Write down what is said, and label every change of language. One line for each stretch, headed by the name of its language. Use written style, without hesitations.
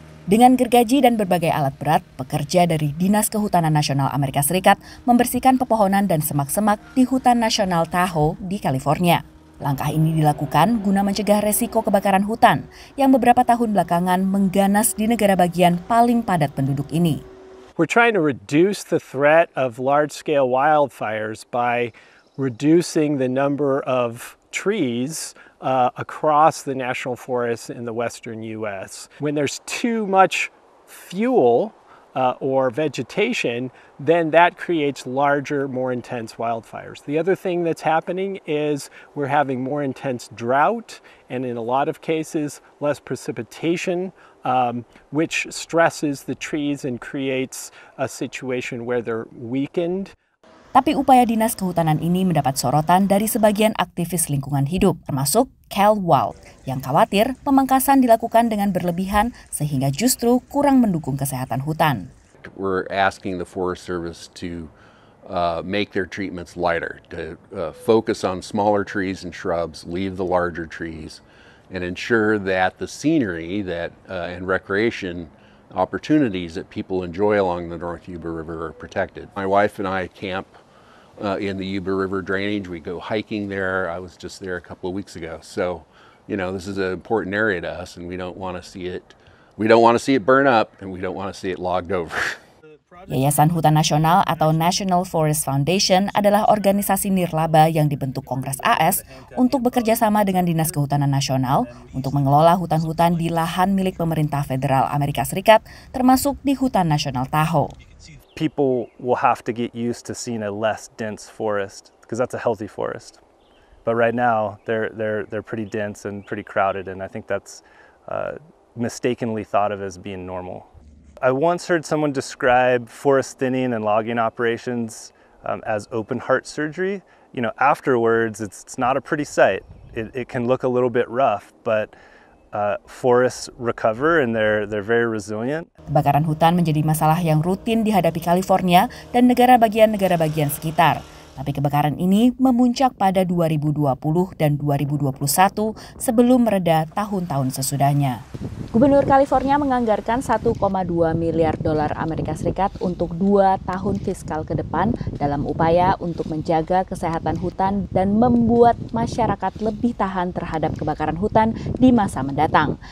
Indonesian: Dengan gergaji dan berbagai alat berat, pekerja dari Dinas Kehutanan Nasional Amerika Serikat membersihkan pepohonan dan semak-semak di Hutan Nasional Tahoe di California. Langkah ini dilakukan guna mencegah resiko kebakaran hutan yang beberapa tahun belakangan mengganas di negara bagian paling padat penduduk ini.
English: We're trying to reduce the threat of large-scale wildfires by reducing the number of trees across the national forests in the western U.S. When there's too much fuel or vegetation, then that creates larger, more intense wildfires. The other thing that's happening is we're having more intense drought and in a lot of cases less precipitation, which stresses the trees and creates a situation where they're weakened.
Indonesian: Tapi upaya dinas kehutanan ini mendapat sorotan dari sebagian aktivis lingkungan hidup, termasuk Cal Wild, yang khawatir pemangkasan dilakukan dengan berlebihan sehingga justru kurang mendukung kesehatan hutan.
English: We're asking the Forest Service to make their treatments lighter, to focus on smaller trees and shrubs, leave the larger trees, and ensure that the scenery that and recreation opportunities that people enjoy along the North Yuba River are protected. My wife and I camp in the Yuba River drainage. We go hiking there. I was just there a couple of weeks ago. So, you know, this is an important area to us, and we don't want to see it burn up, and we don't want to see it logged over.
Indonesian: Yayasan Hutan Nasional atau National Forest Foundation adalah organisasi nirlaba yang dibentuk Kongres AS untuk bekerja sama dengan Dinas Kehutanan Nasional untuk mengelola hutan-hutan di lahan milik pemerintah federal Amerika Serikat, termasuk di Hutan Nasional Tahoe.
English: People will have to get used to seeing a less dense forest because that's a healthy forest. But right now they're pretty dense and pretty crowded, and I think that's mistakenly thought of as being normal. I once heard someone describe forest thinning and logging operations as open heart surgery. You know, afterwards, it's not a pretty sight. It can look a little bit rough, but forests recover and they're very resilient.
Indonesian: Kebakaran hutan menjadi masalah yang rutin dihadapi California dan negara bagian sekitar. Tapi kebakaran ini memuncak pada 2020 dan 2021 sebelum mereda tahun-tahun sesudahnya. Gubernur California menganggarkan $1.2 miliar untuk 2 tahun fiskal ke depan dalam upaya untuk menjaga kesehatan hutan dan membuat masyarakat lebih tahan terhadap kebakaran hutan di masa mendatang.